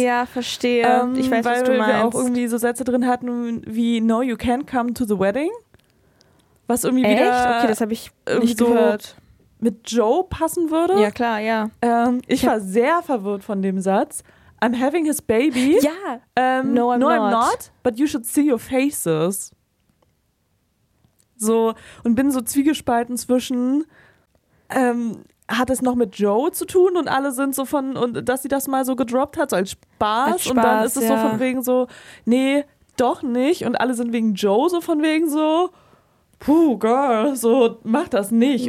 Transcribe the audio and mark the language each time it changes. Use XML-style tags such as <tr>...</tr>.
<de>Ja, verstehe. Ich weiß, was du meinst. Weil wir auch irgendwie so Sätze drin hatten wie,</de> <en>no, you can't come to the wedding.</en> <de>Was irgendwie echt? Wieder... Echt? Okay, das habe ich nicht so gehört. Mit Joe passen würde. Ja, klar, ja. Ich war sehr verwirrt von dem Satz.</de> <en>I'm having his baby.</en> <de>Ja.</de> <en>No, I'm not. But you should see your faces.</en> <de>So, und bin so zwiegespalten zwischen, hat es noch mit Joe zu tun und alle sind so von, und dass sie das mal so gedroppt hat, so als Spaß und dann ist es ja. So von wegen so, nee, doch nicht und alle sind wegen Joe so von wegen so, puh, girl, so, mach das nicht.</de>